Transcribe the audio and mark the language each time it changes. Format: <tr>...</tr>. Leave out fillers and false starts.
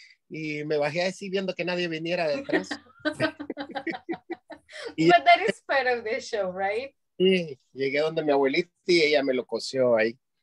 <es>Y me bajé así viendo que nadie viniera detrás.</es> <en>But that is part of the show, right?</en> <es>Sí, llegué donde mi abuelita y ella me lo cosió ahí.</es>